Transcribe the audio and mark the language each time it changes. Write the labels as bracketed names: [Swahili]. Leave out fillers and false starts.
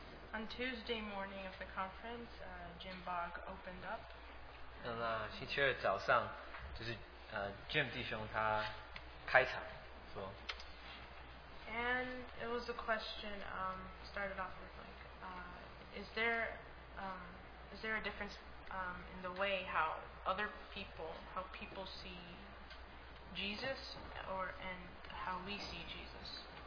[English] On Tuesday morning of the conference, Jim Bogg opened up. [Chinese] 那星期二早上，就是Jim弟兄他开场说。 [English] And it was a question started off with like, is there a difference in the way how other people how people see Jesus or and how we see Jesus?